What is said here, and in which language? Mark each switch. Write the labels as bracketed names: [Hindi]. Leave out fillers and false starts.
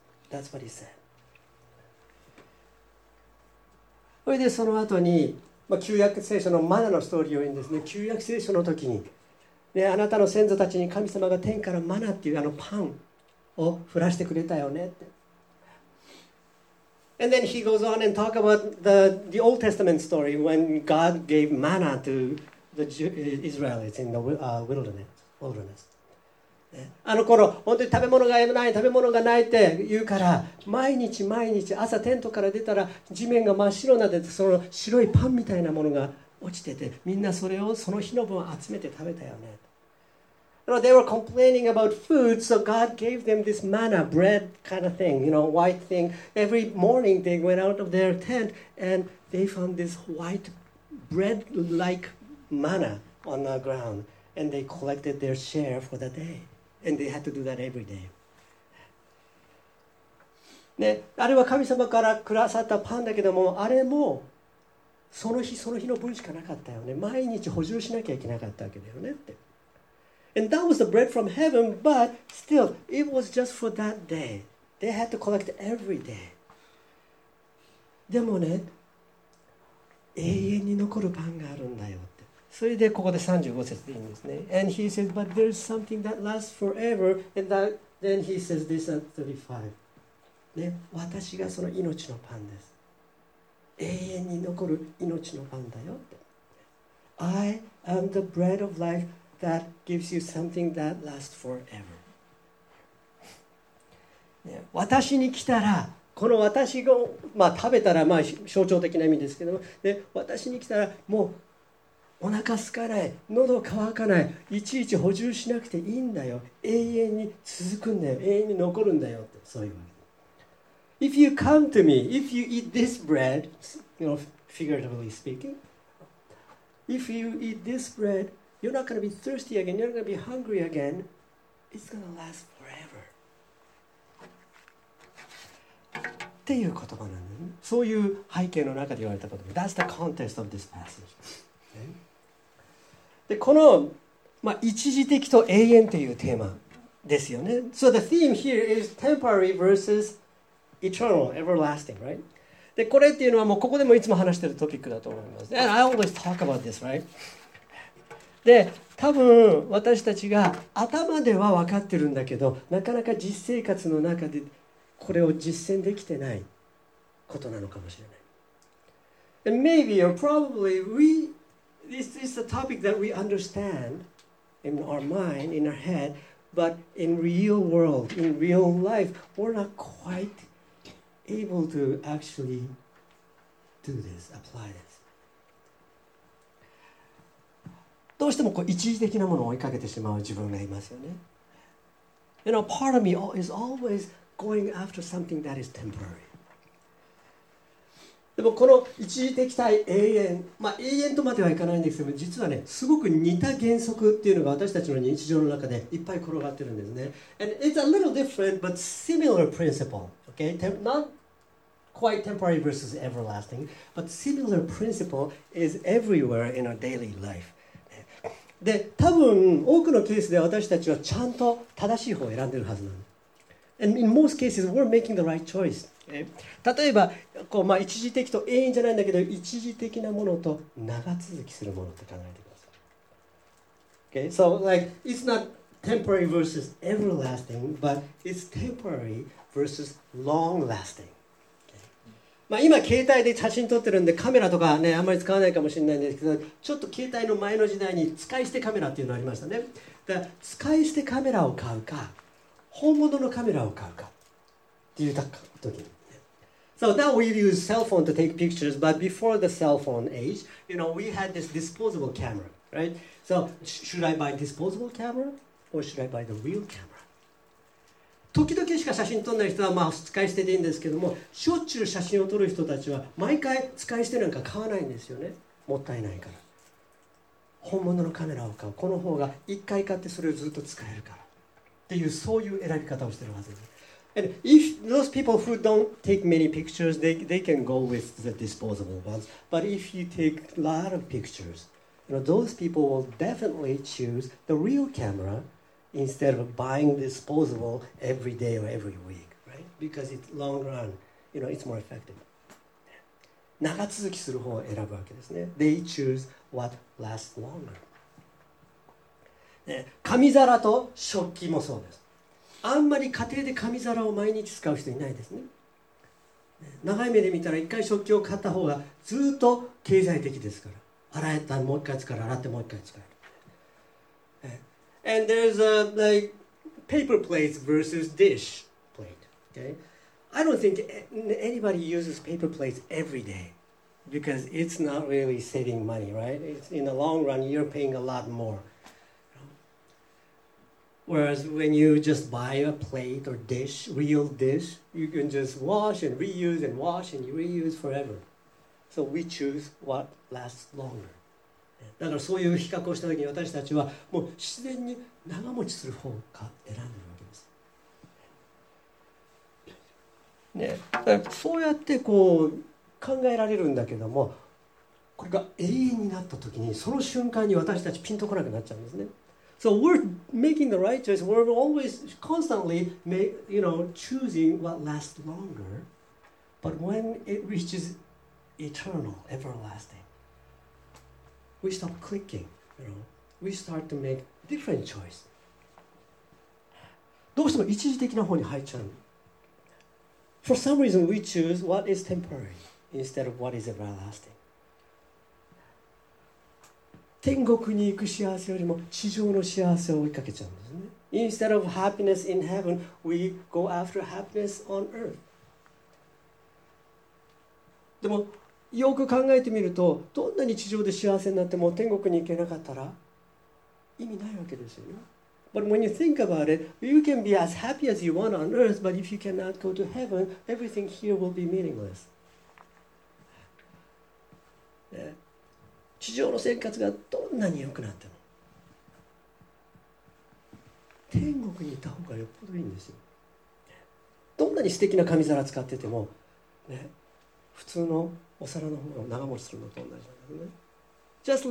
[English] That's what he said. [Japanese] それでその後に、まあ、旧約聖書のマナのストーリーを言うんですね。旧約聖書の時に、ね、あなたの先祖たちに神様が天からマナっていうあのパンを降らしてくれたよねって。 [English] And then he goes on and talk about the Old Testament story when God gave manna to the Israelites in the wilderness. [Japanese] あの頃本当に食べ物がない食べ物がないって言うから、毎日毎日朝テントから出たら地面が真っ白なで、その白いパンみたいなものが落ちてて、みんなそれをその日の分集めて食べたよね。 [English] You know, they were complaining about food, so God gave them this manna, bread kind of thing, you know, white thing. Every morning they went out of their tent and they found this white bread-like manna on the ground. And they collected their share for the day. And they had to do that every day. [Japanese] ね、あれは神様からくださったパンだけども、あれもその日その日の分しかなかったよね。毎日補充しなきゃいけなかったわけだよねって。 [English] And that was the bread from heaven, but still, it was just for that day. They had to collect every day. [Japanese] でもね、永遠に残るパンがあるんだよって。それでここで35節でいいんですね。 [English] And he says, but there's something that lasts forever. And that, then he says this at 35. [Japanese] ね、私がその命のパンです。永遠に残る命のパンだよって。 [English] I am the bread of life that gives you something that lasts forever.、 [Japanese] ね、私に来たら、この私が、まあ、食べたらまあ象徴的な意味ですけども、で私に来たらもうお腹空かない、喉乾かない、いちいち補充しなくていいんだよ。永遠に続くんだよ。永遠に残るんだよ。ってそういうわけ。 [English] If you come to me, if you eat this bread, you know, figuratively speaking, if you eat this bread, you're not going to be thirsty again, you're not going to be hungry again. It's going to last forever. [Japanese] っていう言葉なんだよね。そういう背景の中で言われた言葉。 [English] That's the context of this passage. [Japanese] でこの、まあ、一時的と永遠というテーマですよね。 [English] So the theme here is temporary versus eternal, everlasting, right? [Japanese] でこれっていうのはもうここでもいつも話しているトピックだと思います。 [English] And I always talk about this, right? [Japanese] で多分私たちが頭では分かってるんだけど、なかなか実生活の中でこれを実践できてないことなのかもしれない。 [English] And maybe or probably weThis is a topic that we understand in our mind, in our head, but in real world, in real life, we're not quite able to actually do this, apply this. [Japanese] どうしてもこう一時的なものを追いかけてしまう自分がいますよね。 [English] You know, part of me is always going after something that is temporary. [Japanese] でもこの一時的対永遠、まあ、永遠とまではいかないんですけど、実はね、すごく似た原則っていうのが私たちの日常の中でいっぱい転がってるんですね。 [English] And it's a little different, but similar principle. Okay? Not quite temporary versus everlasting, but similar principle is everywhere in our daily life. [Japanese] で、多分多くのケースで私たちはちゃんと正しい方を選んでるはずなの。 [English] And in most cases, we're making the right choice. [Japanese] 例えばこう、まあ、一時的と永遠じゃないんだけど、一時的なものと長続きするものって考えてください。 [English] Okay, so like it's not temporary versus everlasting, but it's temporary versus long lasting. [Japanese] Okay. まあ今携帯で写真撮ってるんでカメラとかねあんまり使わないかもしれないんですけど、ちょっと携帯の前の時代に使い捨てカメラっていうのありましたね。だから使い捨てカメラを買うか、本物のカメラを買うかっていう時。 [English] So now we use cell phone to take pictures, but before the cell phone age, you know, we had this disposable camera, right? So should I buy disposable camera or should I buy the real camera? [Japanese] 時々しか写真撮んない人はまあ使い捨てでいいんですけども、しょっちゅう写真を撮る人たちは毎回使い捨てなんか買わないんですよね。もったいないから。本物のカメラを買う。この方が一回買ってそれをずっと使えるから。っていうそういう選び方をしてるはずです。 [English] And if those people who don't take many pictures, they can go with the disposable ones. But if you take a lot of pictures, you know, those people will definitely choose the real camera instead of buying disposable every day or every week, right? Because it's long run, you know, it's more effective. [Japanese] 長続きする方を選ぶわけですね。 [English] They choose what lasts longer. [Japanese] 紙皿と食器もそうです。あんまり家庭で紙皿を毎日使う人いないですね。長い目で見たら一回食器を買った方がずっと経済的ですから。洗えたらもう一回使う、洗ってもう一回使う。 [English] And there's a like paper plates versus dish plate. Okay, I don't think anybody uses paper plates every day because it's not really saving money, right? It's in the long run, you're paying a lot more. Whereas when you just buy a plate or dish, real dish, you can just wash and reuse and wash and reuse forever. So we choose what lasts longer. [Japanese] だからそういう比較をしたときに私たちはもう自然に長持ちする方か選んでるわけです。ね、そうやってこう考えられるんだけども、これが永遠になったときにその瞬間に私たちピンとこなくなっちゃうんですね。 [English] So we're making the right choice. We're always constantly, you know, choosing what lasts longer. But when it reaches eternal, everlasting, we stop clicking, you know, we start to make different choice. [Japanese] どうしても一時的な方に入っちゃう。 [English] For some reason, we choose what is temporary instead of what is everlasting. [Japanese] 天国に行く幸せよりも地上の幸せを追いかけちゃうんですね。 [English] Instead of happiness in heaven, we go after happiness on earth. [Japanese] でもよく考えてみると、どんなに地上で幸せになっても天国に行けなかったら意味ないわけですよね。 [English] But when you think about it, you can be as happy as you want on earth, but if you cannot go to heaven, everything here will be meaningless. [Japanese] 地上の生活がどんなに良くなっても天国にいた方がよっぽどいいんですよ。どんなに素敵な紙皿使ってても、ね、普通のお皿の方が長持ちするのと同じなんですね。